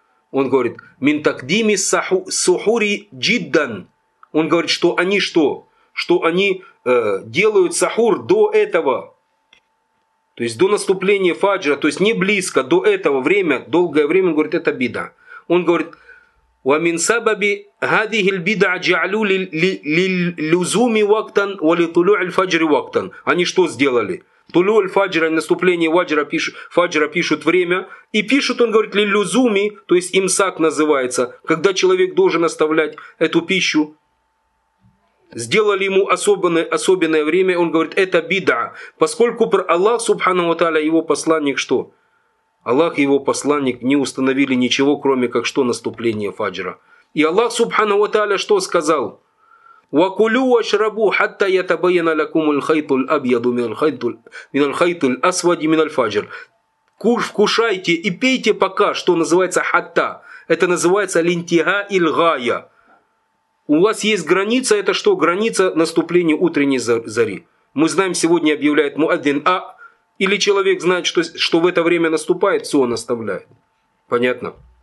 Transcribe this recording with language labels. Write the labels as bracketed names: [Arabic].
[Russian] Он говорит [Arabic] «Мин такдими сухури джиддан». [Russian] Он говорит, что они что? Что они делают сахур до этого. То есть до наступления фаджра. То есть не близко, до этого время, долгое время. Он говорит, это беда. Он говорит [Arabic] ومن سبب هذه البدع جعلوا للزوم وقتا ولطلوع الفجر وقتا. [Russian] Они что сделали? Тулю аль-фаджра, наступление фаджра пишут время. И пишут, он говорит, лилюзуми, то есть имсак называется, когда человек должен оставлять эту пищу. Сделали ему особенное время, он говорит, это беда. Поскольку Аллах, субханаху ва тааля, его посланник что? Аллах и его посланник не установили ничего, кроме как что наступление фаджра. И Аллах, субханаху ва тааля, что сказал? [Arabic] وكلوا واشربوا حتى يتبين لكم الخيط الابيض من الخيط الاسود من الفجر. [Russian] Вкушайте и пейте пока, что называется хатта. Это называется лентига иль гая. У вас есть граница, это что? Граница наступления утренней зари. Мы знаем, сегодня объявляет муаддин. А или человек знает, что в это время наступает, все он оставляет. Понятно?